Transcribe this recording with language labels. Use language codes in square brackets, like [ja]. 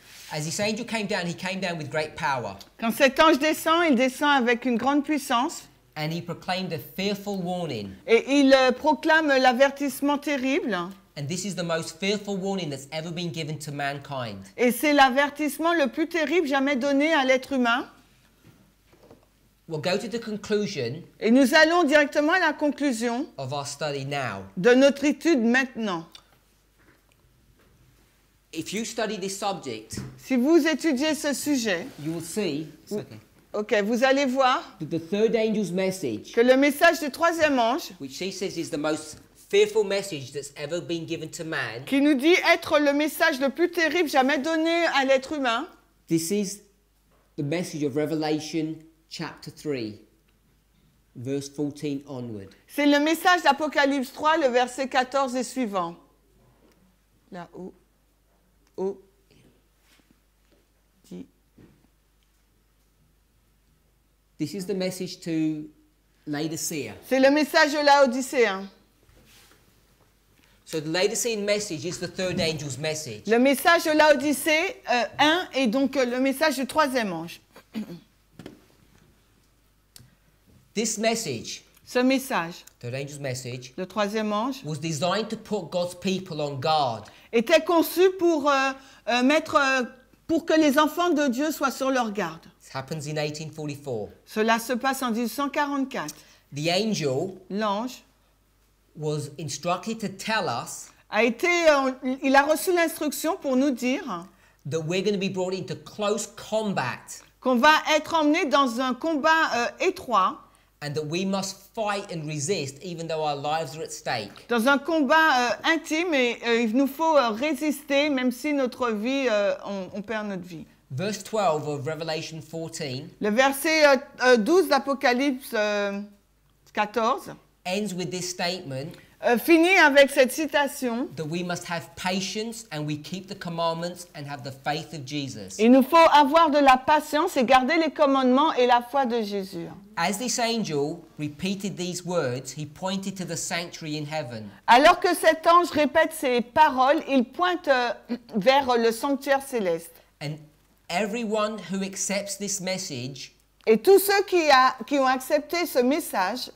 [en] as this angel came down, he came down with great power. [fr] Quand cet ange descend, il descend avec une grande puissance. [en] And he proclaimed a fearful warning. [fr] Et il proclame l'avertissement terrible. [en] And this is the most fearful warning that's ever been given to mankind. [fr] Et c'est l'avertissement le plus terrible jamais donné à l'être humain. [en] We'll go to the conclusion. [fr] Et nous allons directement à la conclusion. [en] Of our study now. [fr] De notre étude maintenant. [en] If you study this subject, [fr] si vous étudiez ce sujet, [en] you will see, [fr] okay, vous allez voir [en] that the third angel's message, [fr] que le message du troisième ange, [en] which he says is the most fearful message that's ever been given to man, [fr] qui nous dit être le message le plus terrible jamais donné à l'être humain, [en] this is the message of Revelation chapter 3, verse 14 onward. [fr] C'est le message d'Apocalypse 3, le verset 14 et suivant. Là-haut. [en] This is the message to Laodicea. [fr] C'est le message de Laodicea. [en] So the Laodicean message is the third angel's message. [fr] Le message de Laodicée 1 est donc le message du troisième ange. [en] This message. [fr] Ce message. [en] Third angel's message. [fr] Le troisième ange. [en] Was designed to put God's people on guard. [fr] Était conçu pour mettre pour que les enfants de Dieu soient sur leur garde. [en] It happens in 1844. [fr] Cela se passe en 1844. [en] The angel. [fr] L'ange. [en] Was instructed to tell us. [fr] A été, il a reçu l'instruction pour nous dire. [en] That we're going to be brought into close combat. [fr] Qu'on va être emmené dans un combat étroit. [en] And that we must fight and resist, even though our lives are at stake. [fr] Dans un combat intime, et il nous faut résister, même si notre vie, on perd notre vie. [en] Verse 12 of Revelation 14. [fr] Le verset 12 d'Apocalypse 14. [en] Ends with this statement. [fr] Finit avec cette citation. [en] That we must have patience and we keep the commandments and have the faith of Jesus. [fr] Il nous faut avoir de la patience et garder les commandements et la foi de Jésus. [en] As this angel repeated these words, he pointed to the sanctuary in heaven. [fr] Alors que cet ange répète ces paroles, il pointe vers le sanctuaire céleste. [en] And everyone who accepts this message. [fr] Et tous ceux qui ont accepté ce message,